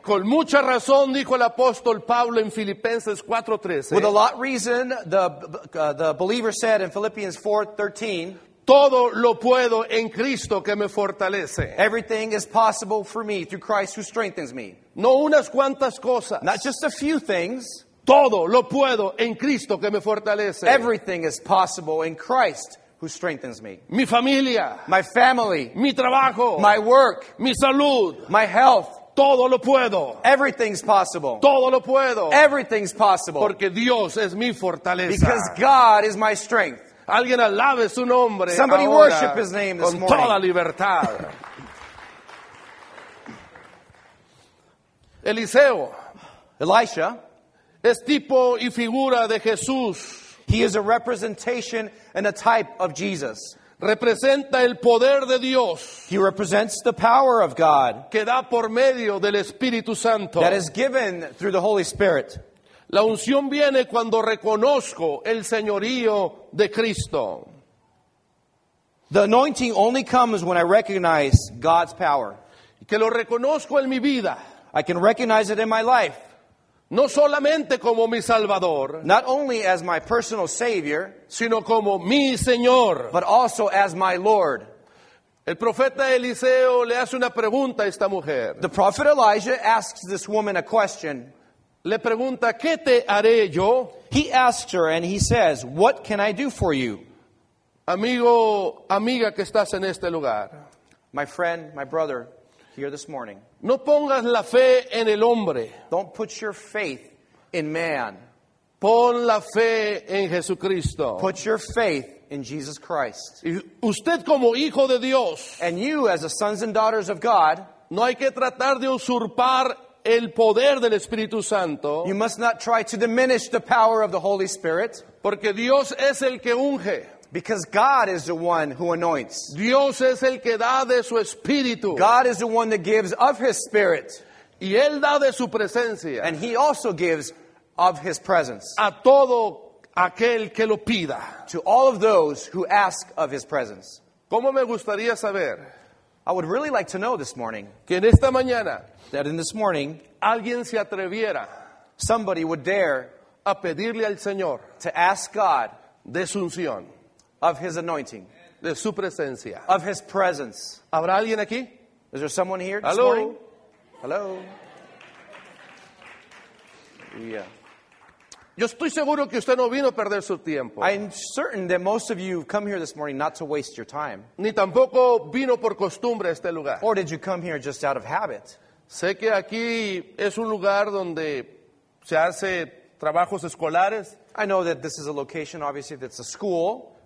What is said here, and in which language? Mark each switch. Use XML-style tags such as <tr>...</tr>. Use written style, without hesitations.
<es>Con mucha razón dijo el apóstol Pablo en Filipenses 4:13.</es> <en>With a lot of reason, the believer said in Philippians 4:13.</en> <es>Todo lo puedo en Cristo que me fortalece.</es> <en>Everything is possible for me through Christ who strengthens me.</en> <es>No unas cuantas cosas.</es> <en>Not just a few things.</en> <es>Todo lo puedo en Cristo que me fortalece.</es> <en>Everything is possible in Christ who strengthens me.</en> <es>Mi familia.</es> <en>My family.</en> <es>Mi trabajo.</es> <en>My work.</en> <es>Mi salud.</es> <en>My health.</en> <es>Todo lo puedo.</es> <en>Everything's possible.</en> <es>Todo lo puedo.</es> <en>Everything's possible.</en> <es>Porque Dios es mi fortaleza.</es> <en>Because God is my strength.</en> <es>Alguien alabe su nombre.</es> <en>Somebody</en> <es>ahora,</es> <en>worship His name this</en> <es>con</es> <en>morning.</en> <es>Toda libertad. Eliseo,</es> <en>Elisha,</en> <es>es tipo y figura de Jesús.</es> <en>He is a representation and a type of Jesus.</en> <es>Representa el poder de Dios.</es> <en>He represents the power of God.</en> <es>Que da por medio del Espíritu Santo.</es> <en>That is given through the Holy Spirit.</en> <es>La unción viene cuando reconozco el señorío de Cristo.</es> <en>The anointing only comes when I recognize God's power.</en> <es>Que lo reconozco en mi vida.</es> <en>I can recognize it in my life.</en> <es>No solamente como mi Salvador.</es> <en>Not only as my personal Savior.</en> <es>Sino como mi Señor.</es> <en>But also as my Lord.</en> <es>El profeta Eliseo le hace una pregunta a esta mujer.</es> <en>The prophet Elijah asks this woman a question.</en> <es>Le pregunta, ¿qué te haré yo?</es> <en>He asked her and he says, what can I do for you?</en> <es>Amigo, amiga que estás en este lugar.</es> <en>My friend, my brother, here this morning.</en> <es>No pongas la fe en el hombre.</es> <en>Don't put your faith in man.</en> <es>Pon la fe en Jesucristo.</es> <en>Put your faith in Jesus Christ.</en> <es>Y usted como hijo de Dios.</es> <en>And you as the sons and daughters of God.</en> <es>No hay que tratar de usurpar el poder del Espíritu Santo.</es> <en>You must not try to diminish the power of the Holy Spirit.</en> <es>Porque Dios es el que unge.</es> <en>Because God is the one who anoints.</en> <es>Dios es el que da de su Espíritu.</es> <en>God is the one that gives of His Spirit.</en> <es>Y Él da de su presencia.</es> <en>And He also gives of His presence.</en> <es>A todo aquel que lo pida.</es> <en>To all of those who ask of His presence.</en> <es>¿Cómo me gustaría saber?</es> <en>I would really like to know this morning.</en> <es>Que en esta mañana.</es> <en>That in this morning.</en> <es>Alguien se atreviera.</es> <en>Somebody would dare.</en> <es>A pedirle al Señor.</es> <en>To ask God.</en> <es>De su unción.</es> <en>Of His anointing.</en> <es>De su presencia.</es> <en>Of His presence.</en> <es>¿Habrá alguien aquí?</es> <en>Is there someone here this morning? Hello. Yeah.</en> <es>Yo estoy seguro que usted no vino a perder su tiempo.</es> <en>I'm certain that most of you come here this morning not to waste your time.</en> <es>Ni tampoco vino por costumbre a este lugar.</es> <en>Or did you come here just out of habit?</en> <es>Sé que aquí es un lugar donde se hace trabajos escolares.</es> <en>I know that this is a location, obviously, that's a school.</en>